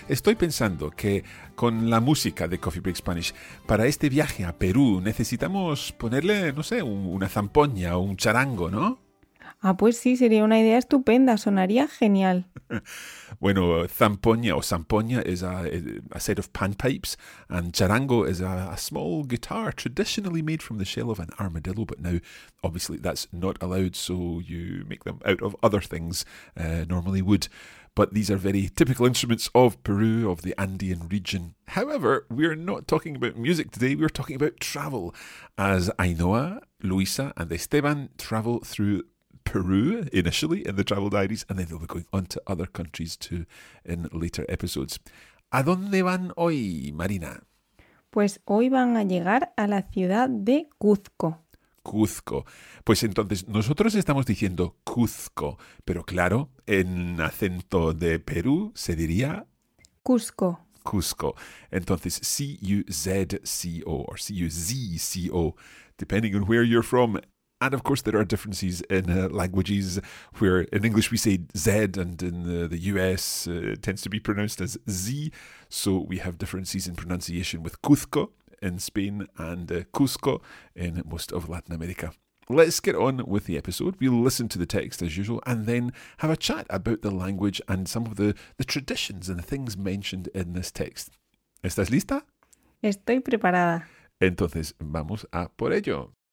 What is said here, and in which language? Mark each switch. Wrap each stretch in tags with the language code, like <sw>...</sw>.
<es>Estoy pensando que con la música de Coffee Break Spanish, para este viaje a Perú necesitamos ponerle, no sé, una zampoña o un charango, ¿no? Ah, pues sí, sería una idea estupenda, sonaría genial.</es> <en>Bueno, zampoña o zampoña is a set of panpipes, and charango is a small guitar traditionally made from the shell of an armadillo, but now, obviously, that's not allowed, so you make them out of other things, normally wood. But these are very typical instruments of Peru, of the Andean region. However, we're not talking about music today, we're talking about travel, as Ainhoa, Luisa, and Esteban travel through Peru initially in the travel diaries, and then they'll be going on to other countries too in later episodes.</en> <es>¿A dónde van hoy, Marina? Pues hoy van a llegar a la ciudad de Cuzco. Cuzco. Pues entonces nosotros estamos diciendo Cuzco, pero claro, en acento de Perú se diría Cusco.</es> <en>Cusco. Entonces C-U-Z-C-O or C-U-Z-C-O, depending on where you're from. And of course, there are differences in languages where in English we say Z and in the US it tends to be pronounced as Z. So we have differences in pronunciation with Cuzco in Spain and Cusco in most of Latin America. Let's get on with the episode. We'll listen to the text as usual and then have a chat about the language and some of the traditions and the things mentioned in this text.</en> <es>¿Estás lista? Estoy preparada. Entonces, vamos a por ello.</es>